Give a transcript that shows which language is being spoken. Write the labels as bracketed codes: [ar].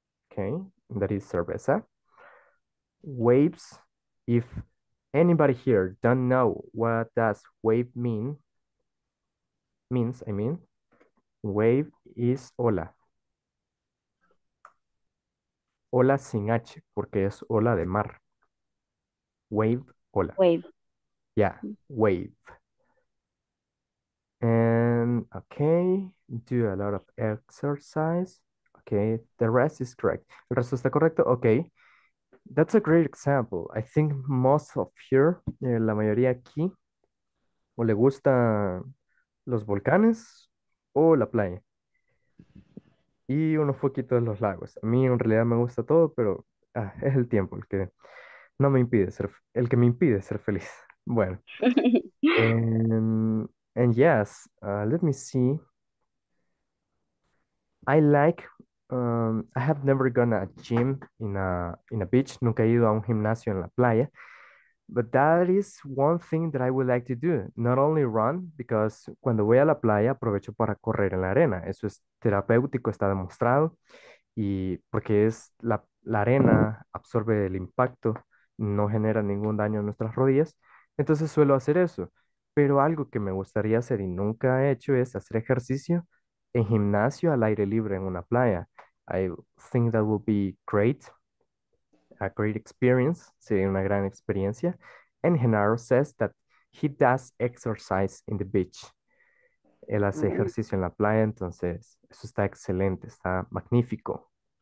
[en] Okay, that is cerveza. Waves. If anybody here don't know what does wave mean, means, I mean, wave is hola. [es] Ola sin H, porque es ola de mar. [en] Wave, ola. Wave. Yeah, wave. And, okay, do a lot of exercise. Okay, the rest is correct. [es] ¿El resto está correcto? [en] Okay. That's a great example. I think most of here, [es] la mayoría aquí, o le gusta los volcanes o la playa. Y unos poquitos de los lagos. A mí en realidad me gusta todo, pero es el tiempo el que no me impide ser, el que me impide ser feliz. Bueno. [en] And yes, let me see. I like, I have never gone to a gym in a beach. Nunca he ido a un gimnasio en la playa. But that is one thing that I would like to do. Not only run, because [es] cuando voy a la playa, aprovecho para correr en la arena. Eso es terapéutico, está demostrado. Y porque es la arena absorbe el impacto, no genera ningún daño a nuestras rodillas. Entonces suelo hacer eso. Pero algo que me gustaría hacer y nunca he hecho es hacer ejercicio en gimnasio al aire libre en una playa. [en] I think that would be great. A great experience, [es] sería una gran experiencia. [en] And Genaro says that he does exercise in the beach. [es] Él hace ejercicio en la playa, entonces eso está excelente, está magnífico.